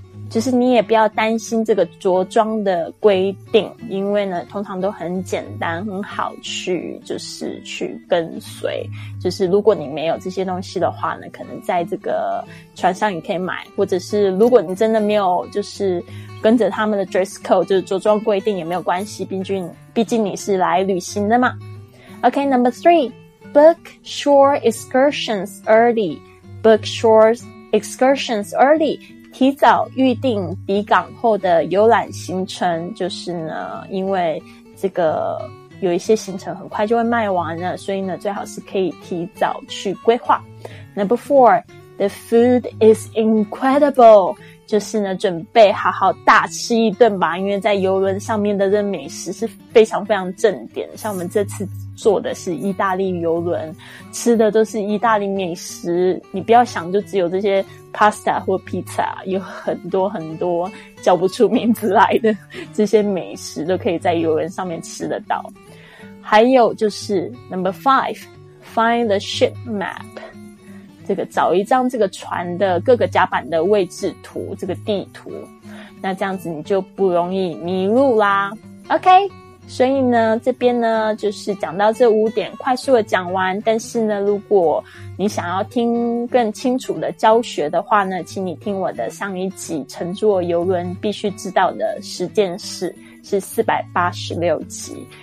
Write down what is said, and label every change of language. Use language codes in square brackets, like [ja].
[zh] 就是你也不要担心这个着装的规定，因为呢，通常都很简单，很好去，就是去跟随。就是如果你没有这些东西的话呢，可能在这个船上你可以买，或者是如果你真的没有，就是跟着他们的 dress code 就是着装规定也没有关系，毕竟你是来旅行的嘛。 [en] OK, number three, book shore excursions early. Book shore excursions early, [zh] 提早预定抵港后的游览行程，就是呢，因为这个有一些行程很快就会卖完了，所以呢，最好是可以提早去规划。 [en] Number four, the food is incredible. [zh] 就是呢，准备好好大吃一顿吧，因为在游轮上面的这美食是非常非常正点，像我们这次坐的是意大利游轮，吃的都是意大利美食，你不要想就只有这些 pasta 或 pizza， 有很多很多叫不出名字来的这些美食都可以在游轮上面吃得到。还有就是 [en] number five，find the ship map。 [zh] 这个找一张这个船的各个甲板的位置图，这个地图，那这样子你就不容易迷路啦。 OK, 所以呢，这边呢就是讲到这五点，快速的讲完，但是呢，如果你想要听更清楚的教学的话呢，请你听我的上一集乘坐游轮必须知道的十件事，是486集。